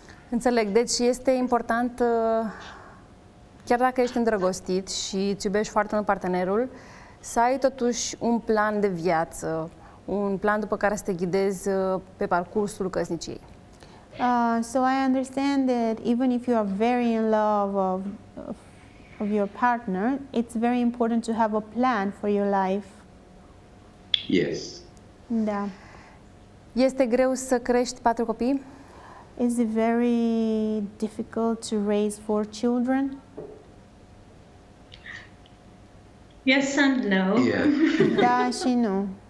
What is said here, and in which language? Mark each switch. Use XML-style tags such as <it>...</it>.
<ro>Înțeleg, deci este important, chiar dacă ești îndrăgostit și îți iubești foarte mult partenerul, să ai totuși un plan de viață, un plan după care să te ghidezi pe parcursul căsniciei.</ro> <en>So I understand that even if you are very in love of your partner, it's very important to have a plan for your life. Yes.</en> <ro>Da. Este greu să crești 4 copii?</ro> <en>Is it very difficult to raise 4 children? Yes and no. Yeah.</en> <ro>Da și nu.</ro>